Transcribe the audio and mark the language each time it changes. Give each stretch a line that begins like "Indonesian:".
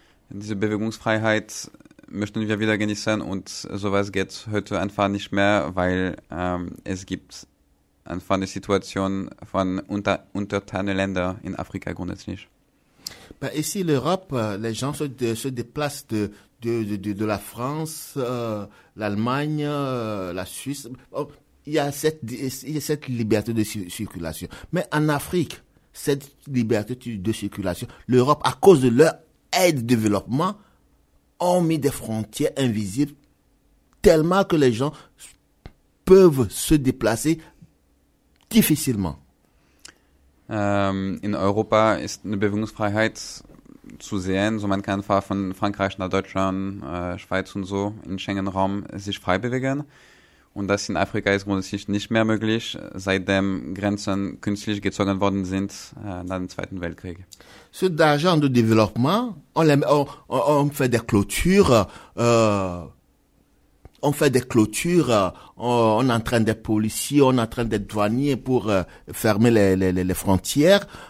German: Diese Bewegungsfreiheit möchten wir wieder genießen und sowas geht heute einfach nicht mehr, weil es gibt einfach eine Situation von untertanen Ländern in Afrika grundsätzlich.
French: Bah, ici l'Europe, les gens se déplacent de la France, l'Allemagne, la Suisse. Il y a cette liberté de circulation. Mais en Afrique, cette liberté de circulation, l'Europe, à cause de leur aide au développement, ont mis des frontières invisibles tellement que les gens peuvent se déplacer difficilement.
German: In Europa ist eine Bewegungsfreiheit zu sehen, so man kann einfach von Frankreich nach Deutschland, Schweiz und so in Schengen-Raum sich frei bewegen. Und das in Afrika ist grundsätzlich nicht mehr möglich, seitdem Grenzen künstlich gezogen worden sind nach dem Zweiten Weltkrieg.
French: Ce d'argent de développement, on fait des clôtures, on entraîne des policiers, on entraîne des douaniers pour fermer les frontières.